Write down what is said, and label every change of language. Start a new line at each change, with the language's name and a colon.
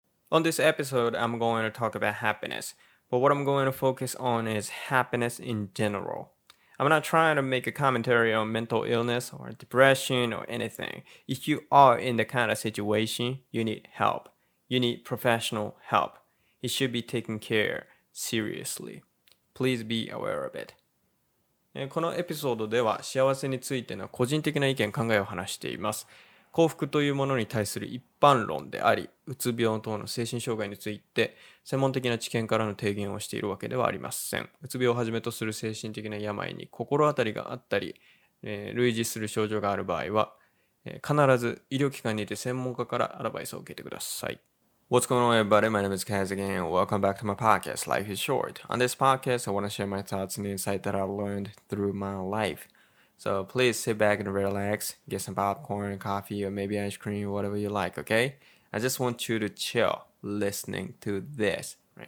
English: On this episode, I'm going to talk about happiness, but what I'm going to focus on is happiness in general. I'm not trying to make a commentary on mental illness or depression or anything. If you are in the kind of situation, you need help. You need professional help. It should be taken care of seriously. Please be aware of it.
Japanese: このエピソードでは幸せについての個人的な意見、考えを話しています。幸福というものに対する一般論であり、うつ病等の精神障害について専門的な知見からの提言をしているわけではありません。うつ病をはじめとする精神的な病に心当たりがあったり、類似する症状がある場合は、必ず医療機関にて専門家からアドバイスを受けてください。
English: What's going on, everybody? My name is Kaz again. Welcome back to my podcast, Life is Short. On this podcast, I want to share my thoughts and insight that I've learned through my life. So please sit back and relax, get some popcorn, coffee, or maybe ice cream, whatever you like, okay? I just want you to chill listening to this, right?